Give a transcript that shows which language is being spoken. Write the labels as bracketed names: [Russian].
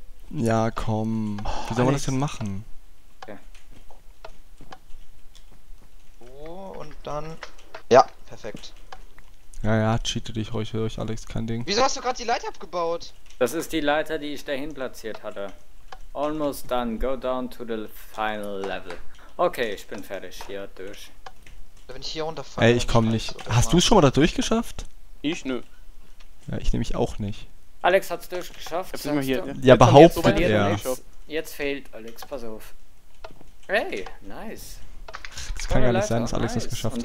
[German] Ja, komm. Wie soll man das denn machen? Okay. So, und dann... Ja, perfekt. Ja, ja, cheate dich ruhig, für euch, Alex, kein Ding. Wieso hast du gerade die Leiter abgebaut? Das ist die Leiter, die ich dahin platziert hatte. [English] Almost done. Go down to the final level. [German] Okay, ich bin fertig. Hier, durch. Wenn ich hier runterfalle... Ey, ich komm nicht. Hast du es schon mal da durchgeschafft? Ich, nö. Ja, ich nämlich auch nicht. Alex hat's durchgeschafft. Jetzt sind wir hier. Ja, jetzt behauptet er. Jetzt fehlt Alex, pass auf. Hey, nice. Das kann ja nicht sein, dass Alex das geschafft hat.